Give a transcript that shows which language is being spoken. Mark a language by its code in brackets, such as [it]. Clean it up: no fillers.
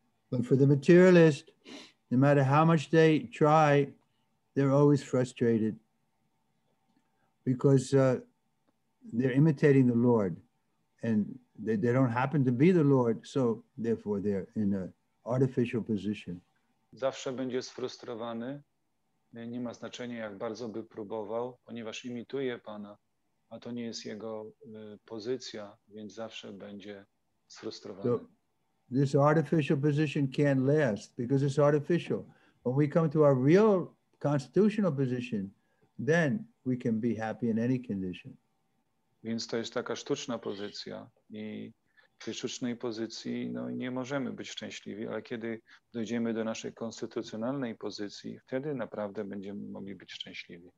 [en] But for the materialist, no matter how much they try, they're always frustrated because they're imitating the Lord and they don't happen to be the Lord, so therefore they're in an artificial position. [pl] Zawsze będzie sfrustrowany. Nie ma znaczenia, jak bardzo by próbował, ponieważ imituje Pana, a to nie jest jego pozycja, więc zawsze będzie sfrustrowany. [en] This artificial position can't last because it's artificial. When we come to our real constitutional position, then we can be happy in any condition. [pl] Więc to jest taka sztuczna pozycja i w tej sztucznej pozycji no, nie możemy być szczęśliwi, ale kiedy dojdziemy do naszej konstytucjonalnej pozycji, wtedy naprawdę będziemy mogli być szczęśliwi.